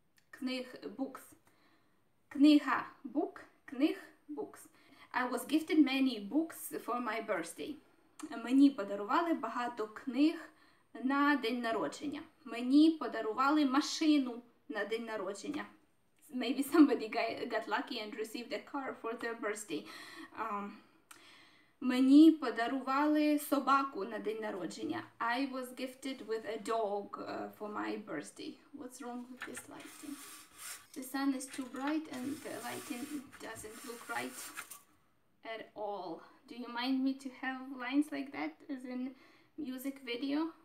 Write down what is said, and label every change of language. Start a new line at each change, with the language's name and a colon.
Ukrainian: Книг, books. Книга, book.
English: Книг, books. I was gifted many books for my birthday.
Ukrainian: Мені подарували багато книг на день народження. Мені подарували машину на день народження.
English: Maybe somebody got lucky and received a car for their birthday.
Ukrainian: Мені подарували собаку на день народження.
English: I was gifted with a dog for my birthday. What's wrong with this lighting? The sun is too bright and the lighting doesn't look right. At all. Do you mind me to have lines like that as in music video?